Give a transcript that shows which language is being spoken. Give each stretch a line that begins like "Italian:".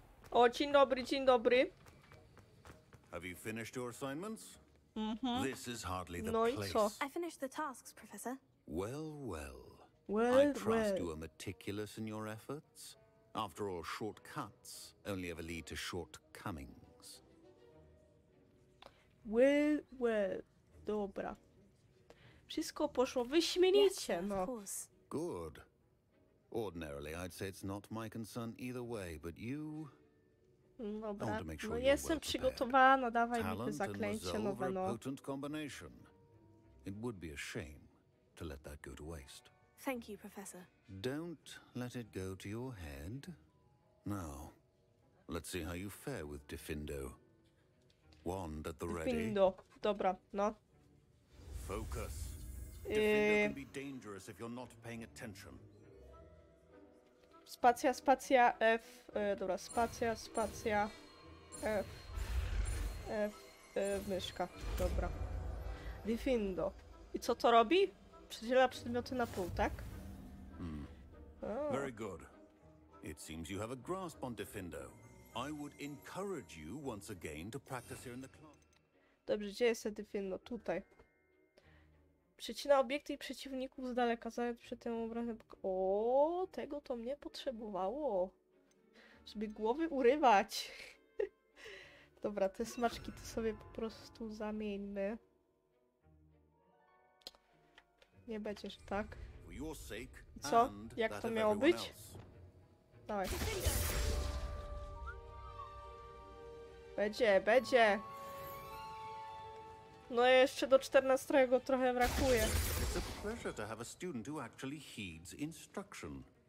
Polish: O, dzień dobry, dzień dobry.
English: Have you finished your assignments? Mm-hmm. This is hardly the place. I finished the tasks, Professor. Well, well. Well, I trust well. You are meticulous in your efforts. After all, shortcuts only ever lead to shortcomings. Well, well.
Polish: Dobra. Wszystko poszło wyśmienicie,
English: yes, no. Of course. Good. Ordinarily, I'd say it's not my concern either way, but you...
Polish: Dobra, no jestem przygotowana, dawaj mi to zaklęcie nowe, no.
English: Potent combination. It would be a shame to let that go to waste. Thank you, Professor. Don't let it go to your head. Now, let's see how you fare with Defindo. Wand at the ready.
Polish: Defindo, dobra, no.
English: Focus. Defindo can be dangerous if you're not paying attention.
Polish: Spacja, spacja, F, dobra, spacja, spacja, F, F, myszka, dobra. Defindo. I co to robi? Przedziela przedmioty na pół, tak?
English: Hmm. Very good. It seems you have a grasp on Defindo. I would encourage you once again to practice here in the club.
Polish: Dobrze, gdzie jest Defindo? Tutaj. Przecina obiekty i przeciwników z daleka, zająć przy tym obrazem. O, tego to mnie potrzebowało. Żeby głowy urywać. Dobra, te smaczki to sobie po prostu zamieńmy. Nie będziesz tak. Co? Jak to miało być? Dawaj. Będzie, będzie. No i jeszcze do 14 trochę brakuje.
English: It's a pleasure to have a student who actually heeds instruction.